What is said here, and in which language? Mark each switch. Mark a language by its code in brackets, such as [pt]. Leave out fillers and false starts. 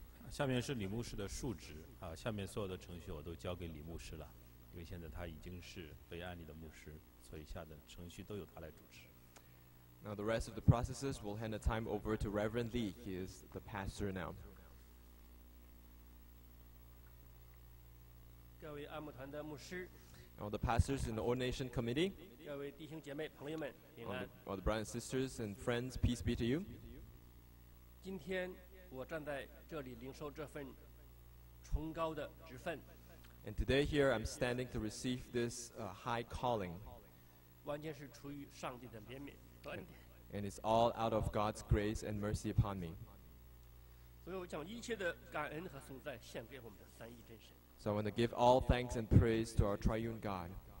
[zh] 下面是李牧师的述职啊，下面所有的程序我都交给李牧师了，因为现在他已经是被安利的牧师，所以下的程序都由他来主持。 [en] Now the rest of the processes will hand the time over to Reverend Lee. He is the pastor now. [zh] 各位安牧团的牧师。 [en] All the pastors in the ordination committee. [zh] 各位弟兄姐妹朋友们平安。 [en] All the brothers and sisters and friends, peace be to you. [zh] 今天我站在这里领受这份崇高的职分。 [en] And today here I'm standing to receive this high calling. [zh] 完全是出于上帝的怜悯。 [en] And it's all out of God's grace and mercy upon me. So I want to give all thanks and praise to our triune God.